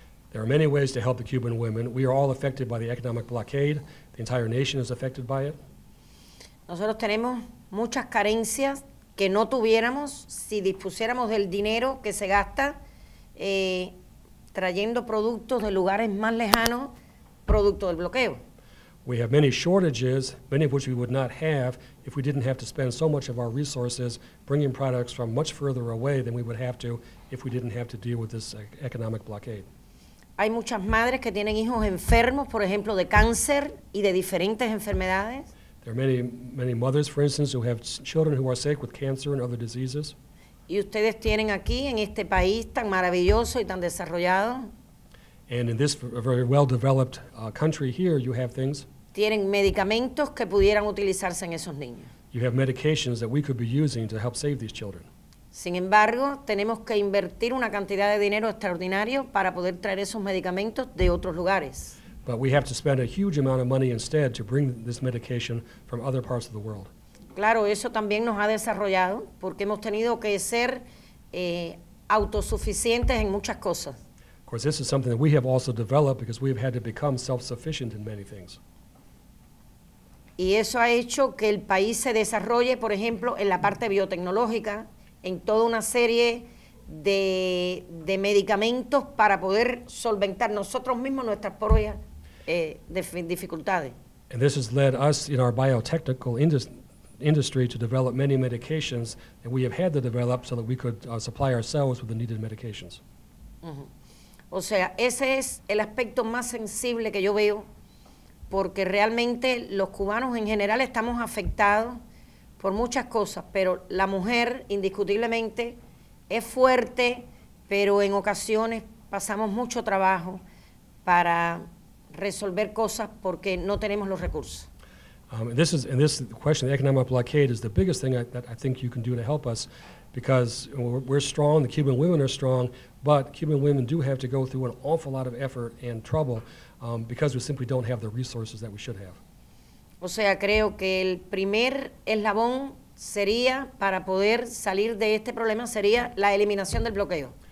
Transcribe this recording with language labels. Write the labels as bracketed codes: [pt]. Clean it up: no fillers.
[en] There are many ways to help the Cuban women. We are all affected by the economic blockade. The entire nation is affected by it. [es] Nosotros tenemos muchas carencias que no tuviéramos si dispusiéramos del dinero que se gasta trayendo productos de lugares más lejanos, producto del bloqueo. [en] We have many shortages, many of which we would not have if we didn't have to spend so much of our resources bringing products from much further away than we would have to if we didn't have to deal with this economic blockade. [es] Hay muchas madres que tienen hijos enfermos, por ejemplo, de cáncer y de diferentes enfermedades. [en] There are many, many mothers, for instance, who have children who are sick with cancer and other diseases. [es] Y ustedes tienen aquí, en este país tan maravilloso y tan desarrollado. [en] And in this very well-developed country here, you have things. [es] Tienen medicamentos que pudieran utilizarse en esos niños. [en] You have medications that we could be using to help save these children. [es] Sin embargo, tenemos que invertir una cantidad de dinero extraordinario para poder traer esos medicamentos de otros lugares. [en] But we have to spend a huge amount of money instead to bring this medication from other parts of the world. [es] Claro, eso también nos ha desarrollado porque hemos tenido que ser autosuficientes en muchas cosas. [en] Of course, this is something that we have also developed because we have had to become self-sufficient in many things. [es] Y eso ha hecho que el país se desarrolle, por ejemplo, en la parte biotecnológica, en toda una serie de medicamentos para poder solventar nosotros mismos nuestras propias dificultades. [en] And this has led us in our biotechnical industry to develop many medications that we have had to develop so that we could supply ourselves with the needed medications. Uh-huh. [es] O sea, ese es el aspecto más sensible que yo veo, porque realmente los cubanos en general estamos afectados por muchas cosas, pero la mujer indiscutiblemente es fuerte, pero en ocasiones pasamos mucho trabajo para resolver cosas porque no tenemos los recursos. [en] This question, the economic blockade, is the biggest thing that I think you can do to help us, because we're strong, the Cuban women are strong, but Cuban women do have to go through an awful lot of effort and trouble because we simply don't have the resources that we should have. [es] O sea, creo que el primer eslabón sería, para poder salir de este problema, sería la eliminación del bloqueo.